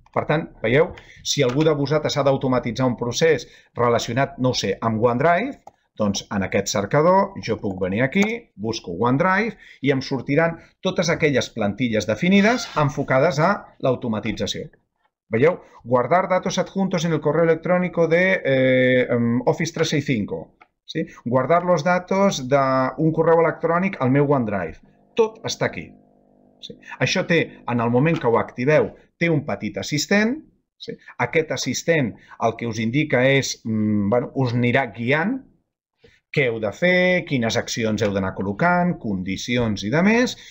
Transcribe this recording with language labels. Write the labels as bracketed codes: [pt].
[ca] Per tant, veieu, si algú de vosaltres ha d'automatitzar un procés relacionat, no ho sé, amb OneDrive, doncs en aquest cercador jo puc venir aquí, busco OneDrive i em sortiran totes aquelles plantilles definides enfocades a l'automatització. Veieu? [es] Guardar datos adjuntos en el correo electrónico de Office 365. [ca] Sí? [es] Guardar los datos [ca] d'un correu electrònic al meu OneDrive. Tot està aquí. Sí? Això té, en el moment que ho activeu, té un petit assistent. Sí? Aquest assistent el que us indica és, bueno, us anirà guiant què heu de fer, quines accions heu d'anar col·locant, condicions i de més.